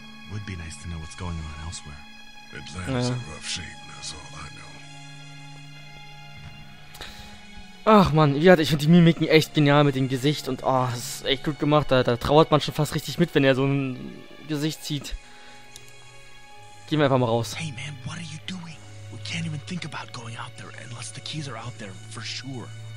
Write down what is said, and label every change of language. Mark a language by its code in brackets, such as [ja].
[en] Would be nice to know what's going on elsewhere. Atlanta's in rough shape, that's all I know. [de] Ach man, wie hat ich finde die Mimiken echt genial mit dem Gesicht und oh, das ist echt gut gemacht. Da trauert man schon fast richtig mit, wenn er so ein Gesicht zieht. Gehen wir einfach mal raus. [en] Hey man, what are you doing? We can't even think about going out there unless the keys are out there for sure.